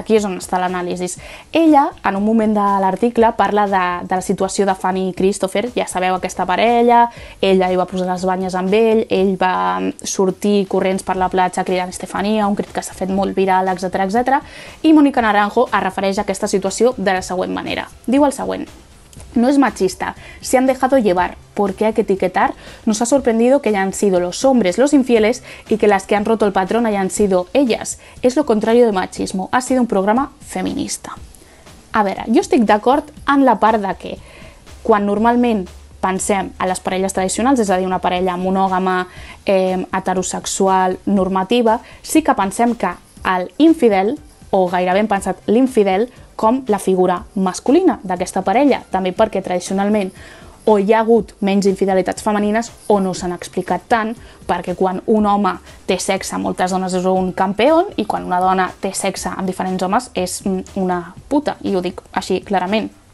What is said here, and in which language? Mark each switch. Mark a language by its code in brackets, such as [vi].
[ca] Aquí és on està l'anàlisi. Ella, en un moment de l'article, parla de la situació de Fanny i Christopher, ja sabeu aquesta parella, ella hi va posar les banyes amb ell, ell va sortir corrents per la platja cridant Estefania, un crit que s'ha fet molt viral, etcètera, etcètera, i Mónica Naranjo es refereix a aquesta situació de la següent manera. Diu el següent. [es] No es machista, se han dejado llevar, ¿por qué hay que etiquetar? Nos ha sorprendido que hayan sido los hombres los infieles y que las que han roto el patrón hayan sido ellas. Es lo contrario de machismo, ha sido un programa feminista. [ca] A veure, jo estic d'acord en la part de que quan normalment pensem a les parelles tradicionals, és a dir, una parella monògama, heterosexual, normativa, sí que pensem que l'infidel, o gairebé hem pensat l'infidel, com la figura masculina d'aquesta parella, també perquè tradicionalment o hi ha hagut menys infidelitats femenines o no s'han explicat tant, perquè quan un home té sexe amb moltes dones és un campeón i quan una dona té sexe amb diferents homes és una puta, i ho dic així clarament.